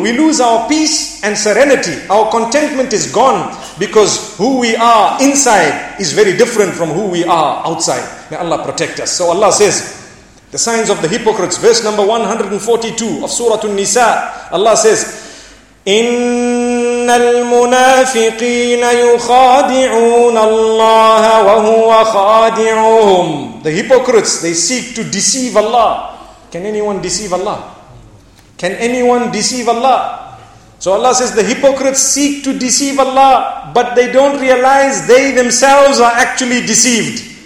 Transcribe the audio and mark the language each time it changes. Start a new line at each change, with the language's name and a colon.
English: We lose our peace and serenity. Our contentment is gone because who we are inside is very different from who we are outside. May Allah protect us. So Allah says, the signs of the hypocrites, verse number 142 of Surah An-Nisa. Allah says,
Arabic: إن المنافقين يخادعون الله وهو خادعهم.
English: The hypocrites, they seek to deceive Allah. Can anyone deceive Allah? Can anyone deceive Allah? So Allah says the hypocrites seek to deceive Allah, but they don't realize they themselves are actually deceived.